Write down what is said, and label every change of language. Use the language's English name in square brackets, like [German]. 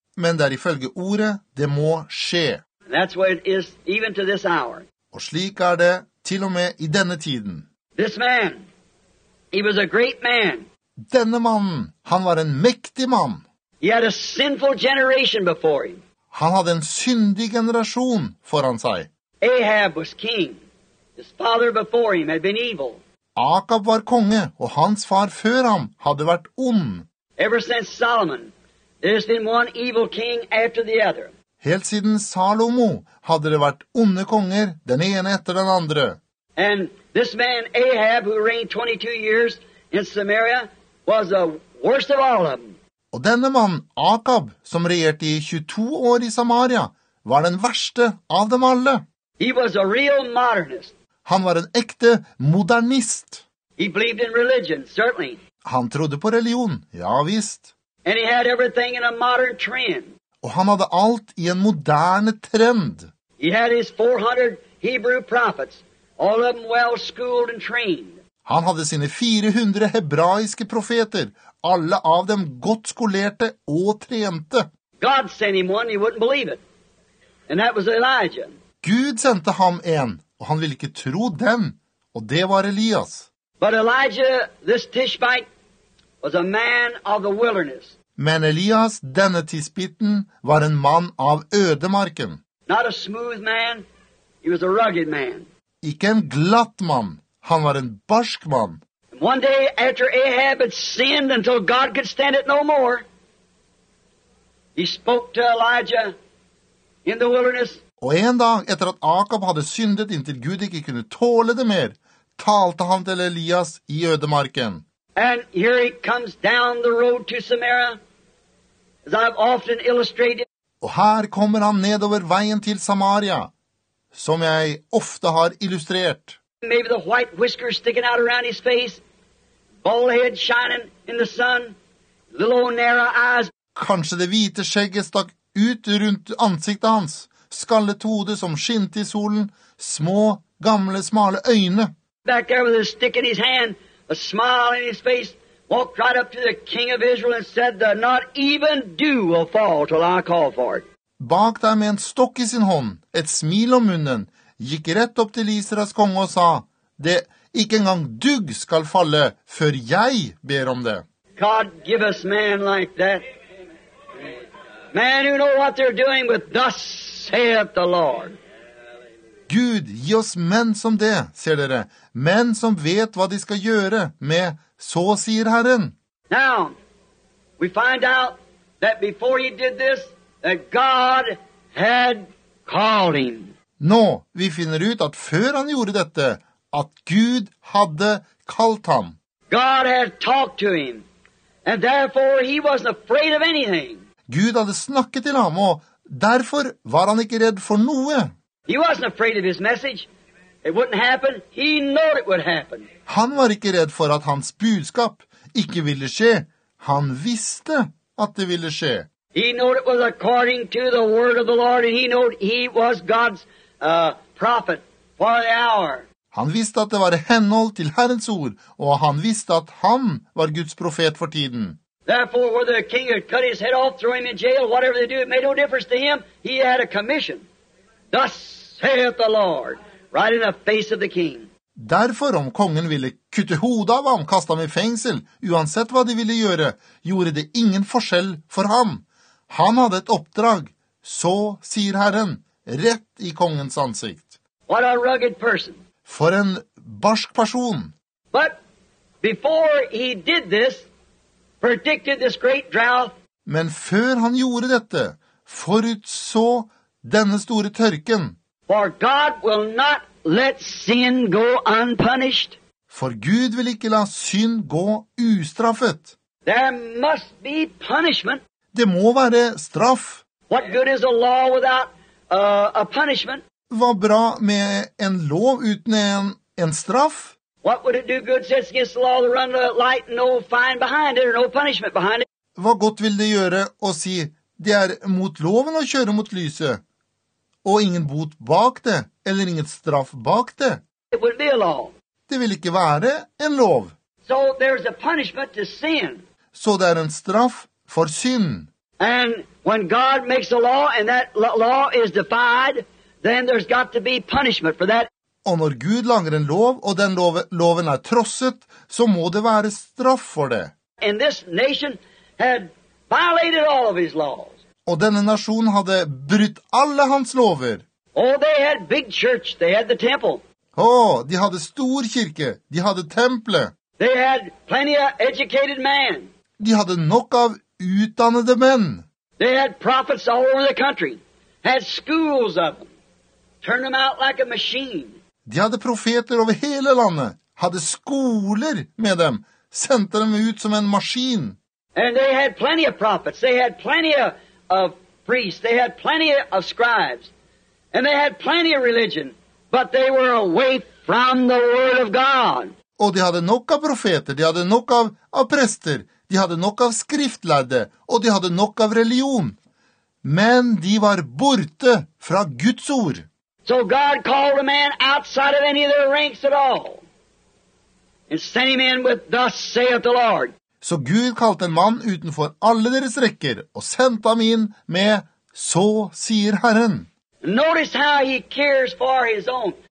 [Norwegian] Men det ifølge ordet, det må skje. [English] And that's what it is even to this hour. [Norwegian] Og slik det til og med i denne tiden. [English] This man, he was a great man. [Norwegian] Denne mannen, han var en mektig mann. [English] He had a sinful generation before him. [Norwegian] Han hadde en syndig generasjon foran seg. [English] Ahab was king. His father before him had been evil. [Norwegian] Akab var konge, og hans far før ham hadde vært ond. [English] Ever since Solomon, there's been one evil king after the other. [Norwegian] Helt siden Salomo hadde det vært onde konger, den ene etter den andre. [English] And this man Ahab, who reigned 22 years in Samaria, was the worst of all of them. [Norwegian] Og denne mann, Akab, som regjerte i 22 år i Samaria, var den verste av dem alle. [English] He was a real modernist. [Norwegian] Han var en ekte modernist. [English] He believed in religion, certainly. [Norwegian] Han trodde på religion, ja visst. [English] And he had everything in a modern trend. [Norwegian] Og han hadde alt i en moderne trend. [English] He had his 400 Hebrew prophets, all of them well schooled and trained. [Norwegian] Han hadde sine 400 hebraiske profeter, alle av dem godt skolerte og trente. [English] God sent him one, he wouldn't believe it. And that was Elijah. [Norwegian] Gud sendte ham en, og han ville ikke tro den, og det var Elias. [English] But Elijah, this Tishbite, was a man of the wilderness. [Norwegian] Men Elias, denne tisbiten, var en mann av ødemarken. [English] Not a smooth man, he was a rugged man. [Norwegian] Ikke en glatt mann, Han var en barsk man. [English] One day after Ahab had sinned until God could stand it no more, he spoke to Elijah in the wilderness. [Norwegian] Og en dag etter at Akab hadde syndet inntil Gud ikke kunne tåle det mer, talte han til Elias i ødemarken. [English] And here he comes down the road to Samaria, as I've often illustrated. [Norwegian] Og her kommer han nedover veien til Samaria, som jeg ofte har illustrert. [English] Maybe the white whiskers sticking out around his face, bald head shining in the sun, little old narrow eyes. [Norwegian] Kanskje det hvite skjegget stakk ut rundt ansiktet hans, skallet hode som skinte i solen, små, gamle, smale øyne. [English] Back there with a stick in his hand, a smile in his face, walked right up to the king of Israel and said, that not even dew will fall till I call for it. [Norwegian] Bak der med en stokk i sin hånd, et smil om munnen, gikk rett opp til Israels konge og sa, det ikke engang dugg skal falle før jeg ber om det. [English] God, give us man like that. Man who know what they're doing with thus saith the Lord. [Norwegian] Gud, gi oss menn som det, ser dere. Menn som vet hva de skal gjøre med, så sier Herren. [English] Now, we find out that before he did this, that God had called him. [Norwegian] Nå, vi finner ut at før han gjorde dette, at Gud hadde kalt ham. [English] God had talked to him, and therefore he wasn't afraid of anything. [Norwegian] Gud hadde snakket til ham, og derfor var han ikke redd for noe. [English] He wasn't afraid of his message. It wouldn't happen. He knew it would happen. [Norwegian] Han var ikke redd for at hans budskap ikke ville skje. Han visste at det ville skje. [English] He knew it was according to the word of the Lord, and he knew he was God's prophet for the hour. [Norwegian] Han visste at det var henhold til Herrens ord, og han visste at han var Guds profet for tiden. [English] Therefore, whether the king had cut his head off, throw him in jail, whatever they do, it made no difference to him. He had a commission. Thus saith the Lord, right in the face of the king. [Norwegian] Derfor, om kongen ville kutte hodet av ham, kaste ham i fengsel, uansett hva de ville gjøre, gjorde det ingen forskjell for ham. Han hadde et oppdrag, så sier Herren, rett i kongens ansikt. [English] What a rugged person. [Norwegian] For en barsk person. [English] But before he did this, predicted this great drought. [Norwegian] Men før han gjorde dette, forutså denne store tørken. [English] For God will not let sin go unpunished. [Norwegian] For Gud vil ikke la synd gå ustraffet. [English] There must be punishment. [Norwegian] Det må være straff. [English] What good is a law without a punishment? [Norwegian] Hva bra med en lov uten en straff? [English] What would it do good since against the law to run the light and no fine behind it or no punishment behind it? [Norwegian] Hva godt vil det gjøre å si det mot loven å kjøre mot lyset? Og ingen bot bak det, eller ingen straff bak det. [English] It would be a law. [Norwegian] Det vil ikke være en lov. [English] So there's a punishment to sin. [Norwegian] Så det en straff for synd. [English] And when God makes a law and that law is defied, then there's got to be punishment for that. [Norwegian] Og når Gud lager en lov, og den loven trosset, så må det være straff for det. [English] And this nation had violated all of his laws. [Norwegian] Og denne nasjonen hadde brutt alle hans lover. [English] Oh, they had big church. They had the temple. [Norwegian] Oh, de hadde stor kirke. De hadde tempelet. [English] They had plenty of educated men. [Norwegian] De hadde nok av utdannede menn. [English] They had prophets all over the country. Had schools of them. Turned them out like a machine. [Norwegian] De hadde profeter over hele landet. Hadde skoler med dem. Sendte dem ut som en maskin. [English] And they had plenty of prophets. They had plenty of priests. They had plenty of scribes, and they had plenty of religion, but they were away from the word of God. [Norwegian] Och de hade nog av profeter, de hade nog av präster, de hade nog av skriftlärde, och de hade nog av religion, men de var borte från Guds ord. [English] So God called a man outside of any of their ranks at all, and sent him in with thus saith the Lord. [Norwegian] Så Gud kalte en mann utenfor alle deres rekker, og sendte ham inn med, så sier Herren. [English] Notice how he cares for his own.